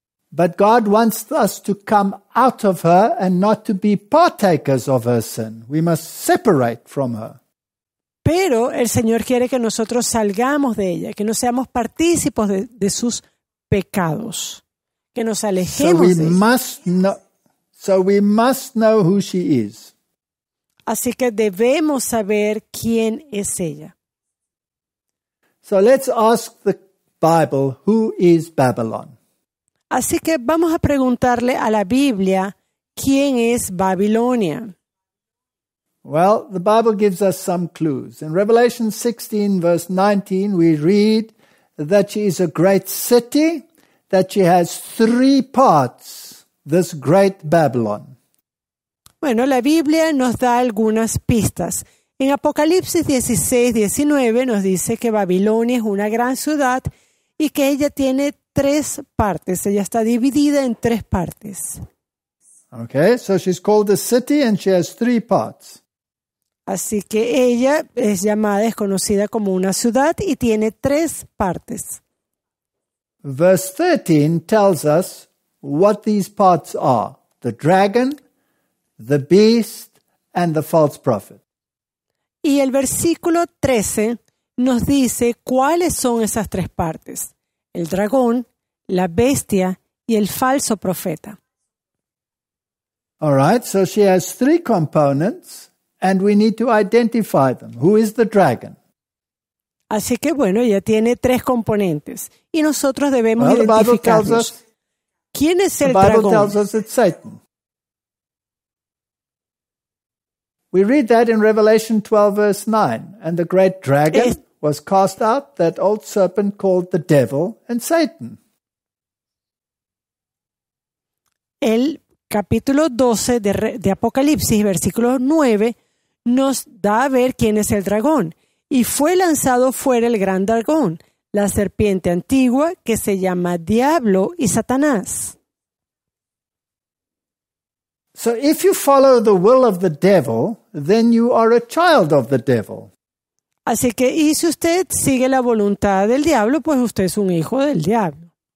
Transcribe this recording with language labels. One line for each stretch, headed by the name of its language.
English: But God wants us to come out of her and not to be partakers of her sin. We must separate from her.
Spanish: Pero el Señor quiere que nosotros salgamos de ella, que no seamos partícipes de sus pecados, que nos alejemos
English: so we
Spanish: de ella.
English: So we must know who she is.
Spanish: Así que debemos saber quién es ella.
English: So let's ask the Bible, who is Babylon?
Spanish: Así que vamos a preguntarle a la Biblia, ¿quién es Babilonia?
English: Well, the Bible gives us some clues. In Revelation 16, verse 19, we read that she is a great city, that she has three parts, this great Babylon.
Spanish: Bueno, la Biblia nos da algunas pistas. En Apocalipsis 16, 19, nos dice que Babilonia es una gran ciudad y que ella tiene tres partes. Ella está dividida en tres partes.
English: Okay, so she's called a city and she has three parts.
Spanish: Así que ella es llamada, es conocida como una ciudad y tiene tres partes.
English: Verse 13 tells us what these parts are: the dragon, the beast, and the false prophet.
Spanish: Y el versículo 13 nos dice cuáles son esas tres partes: el dragón, la bestia y el falso profeta.
English: All right, so she has three components. And we need to identify them. Who is the dragon?
Spanish: Así que bueno, ya tiene tres componentes. Y nosotros debemos identificarlos. ¿Quién es el dragón?
English: The Bible tells us it's Satan. We read that in Revelation 12, verse 9. And the great dragon was cast out, that old serpent called the devil and Satan.
Spanish: El capítulo 12 de Apocalipsis, versículo 9, nos da a ver quién es el dragón. Y fue lanzado fuera el gran dragón, la serpiente antigua que se llama Diablo y Satanás.
English: So if you follow the will of the devil, then you are a child of the devil.
Spanish: Así que, y si usted sigue la voluntad del diablo, pues usted es un hijo del diablo.